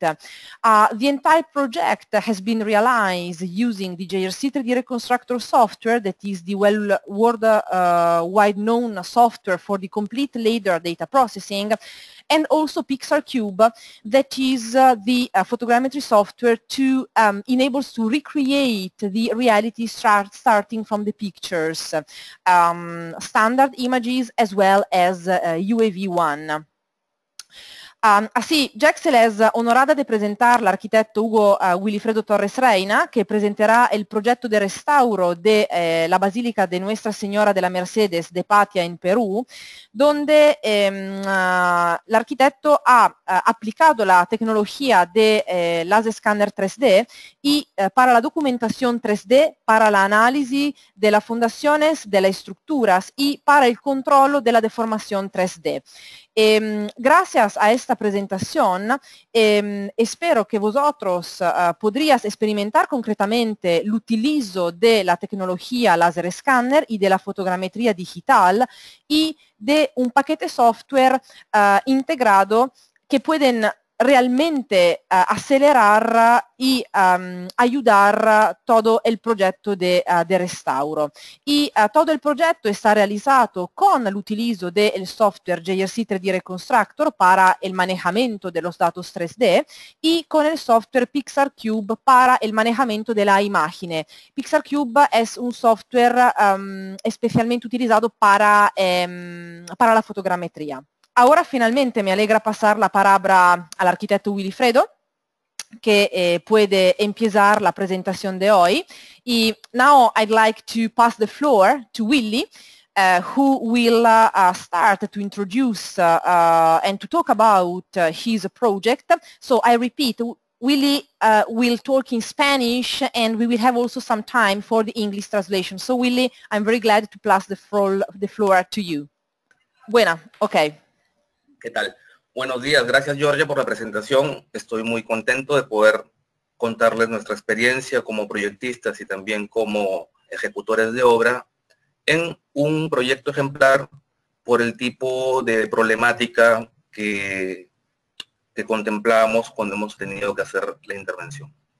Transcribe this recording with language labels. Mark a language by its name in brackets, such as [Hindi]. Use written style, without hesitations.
[English] The entire project has been realized using the JRC 3D Reconstructor software, that is the worldwide known software for the complete LiDAR data processing, and also Pixar Cube, that is the photogrammetry software to enables to recreate the reality starting from the pictures, standard images as well as UAV1. [Italian] Sì, Gexcel è onorata di presentare l'architetto Hugo Wilfredo Torres Reyna, che presenterà il progetto di restauro della Basilica de Nuestra Señora de la Mercedes de Patia in Perù, dove l'architetto ha applicato la tecnologia del laser scanner 3D e per la documentazione 3D, per l'analisi delle fondazioni, delle strutture e per il controllo della deformazione 3D. [Spanish] Gracias a esta presentación, espero que vosotros podrías experimentar concretamente el uso de la tecnología láser scanner y de la fotogrametría digital y de un paquete software integrado que pueden realmente acelerar y ayudar todo el proyecto de restauro. Y todo el proyecto está realizado con el utilizo del software JRC 3D Reconstructor para el manejamiento de los datos 3D y con el software Pixar Cube para el manejamiento de la imagen. Pixar Cube es un software especialmente utilizado para la fotogrametría. [Italian] Ora finalmente mi allegra passare la parola all'architetto Wilfredo, che può empiezar la presentazione di oggi. [English] E now I'd like to pass the floor to Willy, who will start to introduce and to talk about his project. So I repeat, Willy will talk in Spanish and we will have also some time for the English translation. So Willy, I'm very glad to pass the floor to you. [Spanish] Buena, okay. ¿Qué tal? Buenos días, gracias Giorgia por la presentación. Estoy muy contento de poder contarles nuestra experiencia como proyectistas y también como ejecutores de obra en un proyecto ejemplar por el tipo de problemática que contemplábamos cuando hemos tenido que hacer la intervención.